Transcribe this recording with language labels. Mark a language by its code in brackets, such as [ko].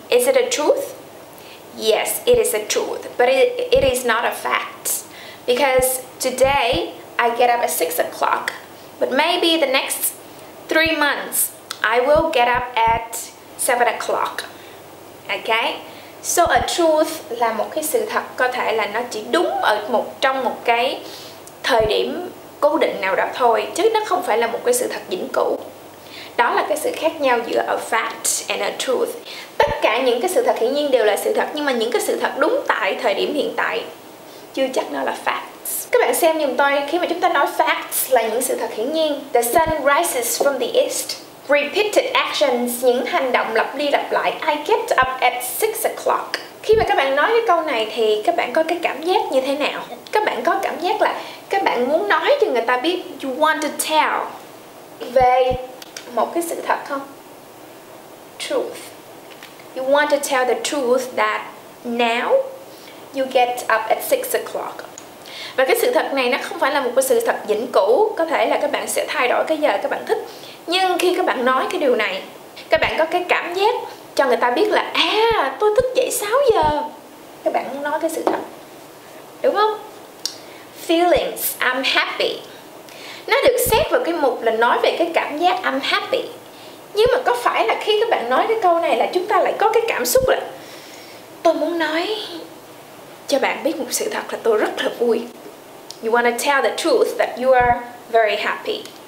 [en] Is it a truth? Yes, it is a truth. But it is not a fact. Because today, I get up at 6 o'clock. But maybe the next 3 months, I will get up at 7 o'clock. Okay? So a truth [vi] là một cái sự thật. Có thể là nó chỉ đúng ở một trong một cái thời điểm cố định nào đó thôi, chứ nó không phải là một cái sự thật vĩnh cửu. Đó là cái sự khác nhau giữa [en] a fact and a truth. [vi] Tất cả những cái sự thật hiển nhiên đều là sự thật, nhưng mà những cái sự thật đúng tại thời điểm hiện tại chưa chắc nó là facts. Các bạn xem giùm tôi, khi mà chúng ta nói facts là những sự thật hiển nhiên. [en] The sun rises from the east. Repeated actions, [vi] những hành động lặp đi lặp lại. [en] I get up at 6 o'clock. [vi] Khi mà các bạn nói cái câu này thì các bạn có cái cảm giác như thế nào? Các bạn có cảm giác là các bạn muốn nói cho người ta biết, [en] you want to tell [vi] về một cái sự thật không? [en] Truth. You want to tell the truth that now you get up at 6 o'clock. [vi] Và cái sự thật này nó không phải là một cái sự thật vĩnh cửu. Có thể là các bạn sẽ thay đổi cái giờ các bạn thích. Nhưng khi các bạn nói cái điều này, các bạn có cái cảm giác cho người ta biết là à, tôi thức dậy 6 giờ. Các bạn muốn nói cái sự thật, đúng không? [en] Feelings, I'm happy. [vi] Nó được xét vào cái mục là nói về cái cảm giác [en] I'm happy. [vi] Nhưng mà có phải là khi các bạn nói cái câu này là chúng ta lại có cái cảm xúc là tôi muốn nói cho bạn biết một sự thật là tôi rất là vui. [en] You want to tell the truth that you are very happy.